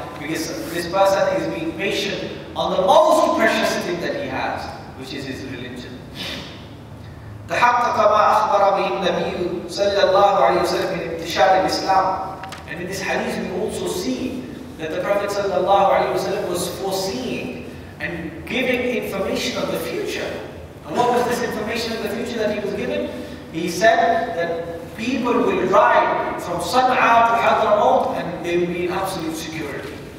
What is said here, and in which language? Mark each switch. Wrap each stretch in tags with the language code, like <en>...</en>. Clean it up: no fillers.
<en>Because this person is being patient on the most precious thing that he has, which is his religion.</en> <ar>تحقق ما أخبر به النبي صلى الله عليه وسلم من انتشار الإسلام.</ar> <en>And in this hadith we also see that the Prophet</en> <ar>صلى الله عليه وسلم</ar> <en>was foreseeing and giving information of the future. And what was this information of the future that he was given? He said that people will ride from Sana'a to Hadramaut and they will be in absolute security.</en>